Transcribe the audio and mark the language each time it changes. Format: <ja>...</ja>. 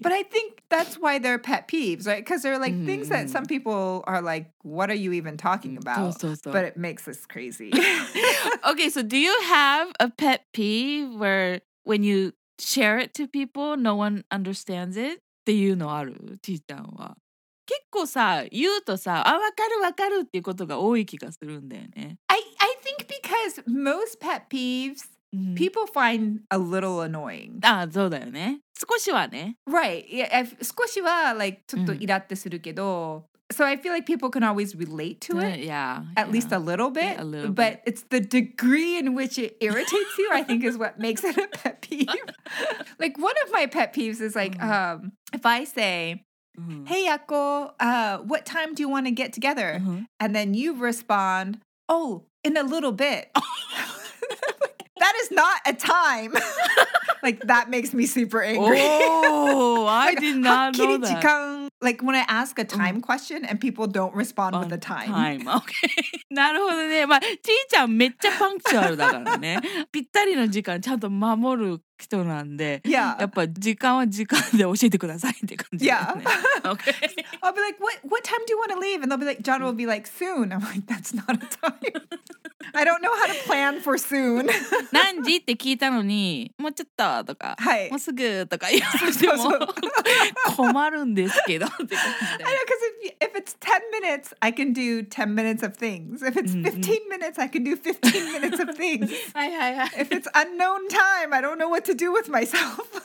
<en>But I think that's why they're pet peeves, right? Because they're like things that some people are like, what are you even talking about?</en> <ja>そうそうそう。</ja> <en>But it makes us crazy. Okay, so do you have a pet peeve where when you share it to people, no one understands it?</en> <ja>っていうのある?ちーちゃんは。結構さ、言うとさ、あ、わかるわかるっていうことが多い気がするんだよね。</ja> <en>I think because most pet peeves, people find a little annoying.</en> <ja>あ、そうだよね。少しはね。</ja> <en>Right. Yeah, if,</en> <ja>少しは、</ja> <en>like,</en> <ja>ちょっとイラってするけど、</ja> <en>So I feel like people can always relate to it. Yeah. At least a little bit. Yeah, a little but bit. It's the degree in which it irritates you, I think, is what makes it a pet peeve. Like, one of my pet peeves is like, if I say... Hey, Yako, what time do you want to get together? And then you respond, oh, in a little bit. That is not a time. Like, that makes me super angry. Oh, like, I did not know that.</en> <ja>時間?</ja> <en>Like, when I ask a time question and people don't respond with a time. Time, okay.</en> <ja>なるほどね。まあ、ちーちゃんめっちゃパンクチュアルだからね。ぴったりの時間ちゃんと守る人なんで。</ja> <en>Yeah.</en> <ja>やっぱ時間は時間で教えてくださいって感じですね。</ja> <en>Yeah. Okay. I'll be like, what time do you want to leave? And they'll be like, John will be like, soon. I'm like, that's not a time. I don't know how to plan for soon.</en> <ja>何時って聞いたのに、もうちょっととか、はい、もうすぐとか言われても</ja> <en>so, so.</en> <ja>困るんですけど。</ja> <en>I know, because if it's 10 minutes, I can do 10 minutes of things. If it's 15 minutes, I can do 15 minutes of things. If it's unknown time, I don't know what to do with myself.</en>